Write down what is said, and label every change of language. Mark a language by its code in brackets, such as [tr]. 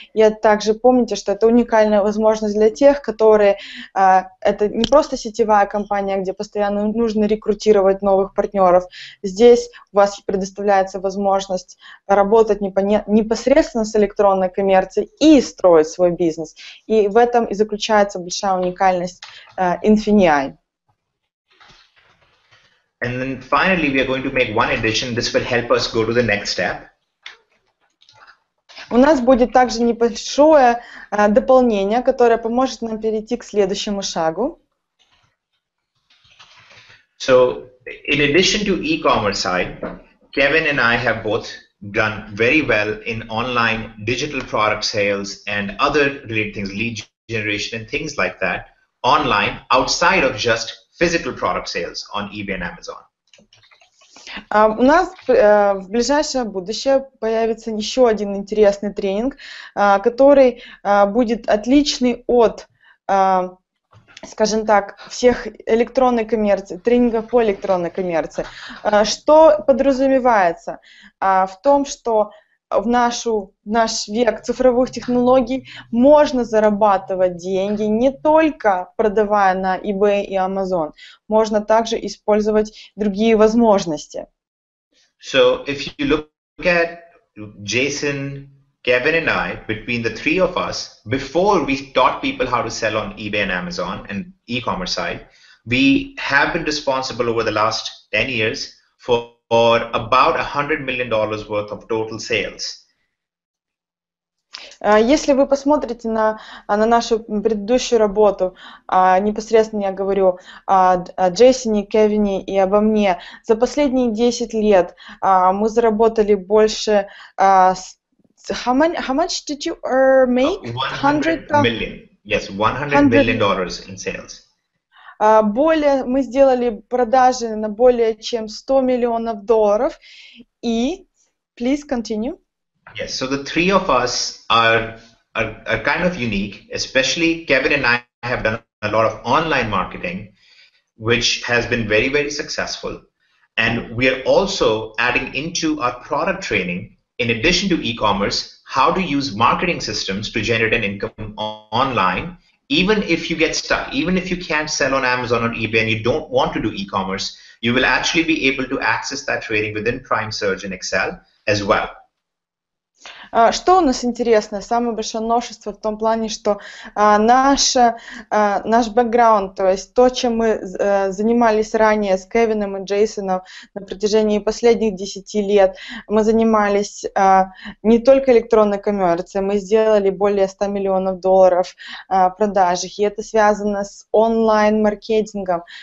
[ru] И также помните, что это уникальная возможность для тех, которые, это не просто сетевая компания, где постоянно нужно рекрутировать новых партнеров, здесь у вас предоставляется возможность работать непосредственно с электронной коммерцией и строить свой бизнес. И в этом и заключается большая уникальность Infinii. [en] And then finally we are going to make one addition. This will help us go to the next step. [ru] У нас будет также небольшое дополнение, которое поможет нам перейти к следующему шагу. [en] So, in addition to e-commerce side, Kevin and I have both done very well in online digital product sales and other related things, lead generation and things like that, online, outside of just physical product sales on eBay and Amazon. [ru] У нас в ближайшее будущее появится еще один интересный тренинг, который будет отличный от, скажем так, всех электронной коммерции, тренингов по электронной коммерции. Что подразумевается? В том, что в наш век цифровых технологий можно зарабатывать деньги не только продавая на eBay и Amazon, можно также использовать другие возможности. [en] So if you look at Jason, Kevin and I, between the three of us, before we taught people how to sell on eBay and Amazon and e-commerce side, we have been responsible over the last 10 years for about $100 million worth of total sales. [ru] Если вы посмотрите на нашу предыдущую работу, непосредственно я говорю о Джейсоне, Кевине и обо мне, за последние 10 лет мы заработали больше... [en] How much did you make? $100 million. Yes, $100 million in sales. [ru] Мы сделали продажи на более чем $100 [en] million. [ru] И, [en] please continue. Yes, so the three of us are kind of unique, especially Kevin and I have done a lot of online marketing, which has been very, very successful. And we are also adding into our product training, in addition to e-commerce, how to use marketing systems to generate an income online. Even if you get stuck, even if you can't sell on Amazon or eBay and you don't want to do e-commerce, you will actually be able to access that training within PrimeSearch and Excel as well. [ru] Что у нас интересное? Самое большое новшество в том плане, что наш бэкграунд, то есть то, чем мы занимались ранее с Кевином и Джейсоном на протяжении последних 10 лет, мы занимались не только электронной коммерцией, мы сделали более 100 миллионов долларов продажи, и это связано с онлайн-маркетингом.